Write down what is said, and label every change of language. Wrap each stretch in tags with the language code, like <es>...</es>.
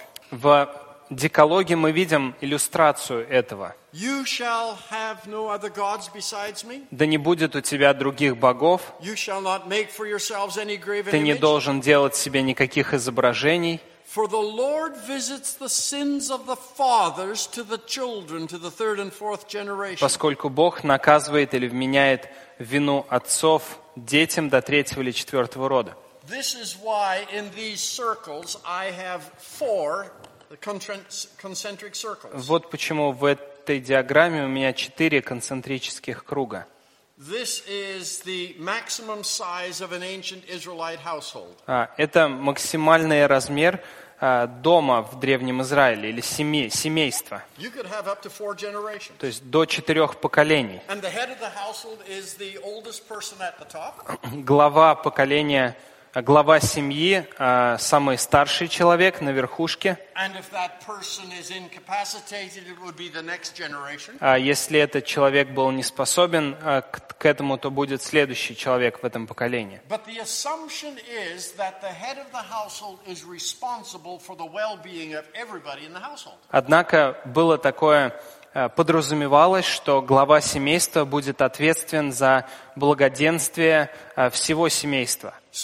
<ru>В Декалоге мы видим иллюстрацию этого. Да не будет у тебя других богов. Ты не должен делать себе никаких изображений.</ru> <en>For the Lord visits the sins of the fathers to the children, to the third and fourth generation.</en> <ru>Поскольку Бог наказывает или вменяет вину отцов детям до третьего или четвертого рода.</ru> <en>This is why in these circles I have four concentric circles.</en> <ru>Вот почему в этой диаграмме у меня четыре концентрических круга.</ru> <en>This is the maximum size of an ancient Israelite household.</en> <ru>Это максимальный размер дома в древнем Израиле или семейства.</ru> <en>You could have up to four generations.</en> <ru>То есть до четырех поколений.</ru> <en>And the head of the household is the oldest person at the top.</en> <ru>Глава поколения, глава семьи, самый старший человек на верхушке.</ru> <en>And if that person is incapacitated, it would be the next generation.</en> <ru>А если этот человек был не способен к этому, то будет следующий человек в этом поколении.</ru> <en>But the assumption is that the head of the household is responsible for the well-being of everybody in the household.</en> <ru>Однако было такое, подразумевалось, что глава семейства будет ответственен за благоденствие всего семейства.</ru>